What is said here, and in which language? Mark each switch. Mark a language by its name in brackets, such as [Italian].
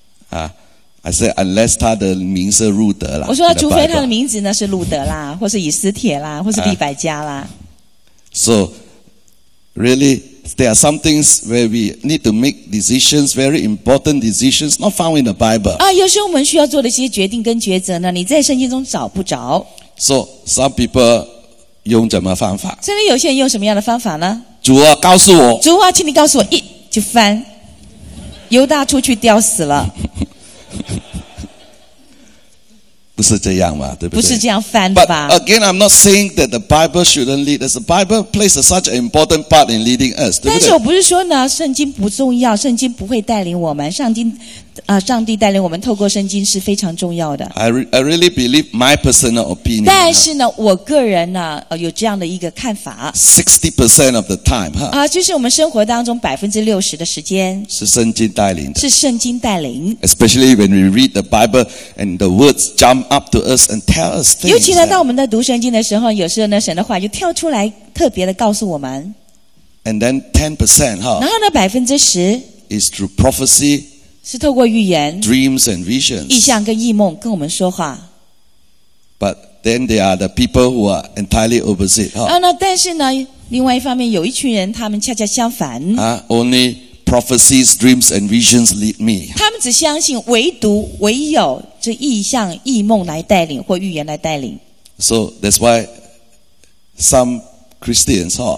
[Chinese] 啊、 [English] I said unless [Chinese] 她的名是路德啦。我说，除非她的名字呢是路德啦，或是以斯帖啦，或是利百加啦。 [English] So, really, there are some things where we need to make decisions, very important decisions, not found in the Bible. [Chinese] 啊，有时候我们需要做的一些决定跟抉择呢，你在圣经中找不着。 [English] So some people [Chinese] 用怎么方法？这里有些人用什么样的方法呢？主啊，告诉我。主啊，请你告诉我，一就翻，犹大出去吊死了。不是这样嘛，对不对？不是这样翻的吧 [English] ？But again, I'm not saying that the Bible shouldn't lead us. The Bible plays such an important part in leading us. [Chinese] 对不对？但是我不是说呢，圣经不重要，圣经不会带领我们，上帝。上帝带领我们透过圣经是非常重要的。 [English] I really believe my personal opinion. [Chinese] 但是呢，我个人呢，有这样的一个看法。 [English] 60% of the time, 哈。 [Chinese] 啊，就是我们生活当中60%的时间是圣经带领的。是圣经带领。 [English] Especially when we read the Bible and the words jump up to us and tell us things. [Chinese] 尤其呢，当我们在读圣经的时候，有时候呢，神的话就跳出来，特别的告诉我们。 [English] And then 10%, 哈。 [Chinese] 然后呢，10% [English] is through prophecy. [Chinese] 是透过预言 [English] Dreams and visions. [Chinese] 意象跟异梦跟我们说话 [English] But then there are the people who are entirely opposite、 [Chinese] 那但是呢另外一方面有一群人他们恰恰相反、 [English] Only prophecies, dreams and visions lead me [Chinese] 他们只相信唯独唯有这意象异梦来带领或预言来带领 [English] So that's why some Christians、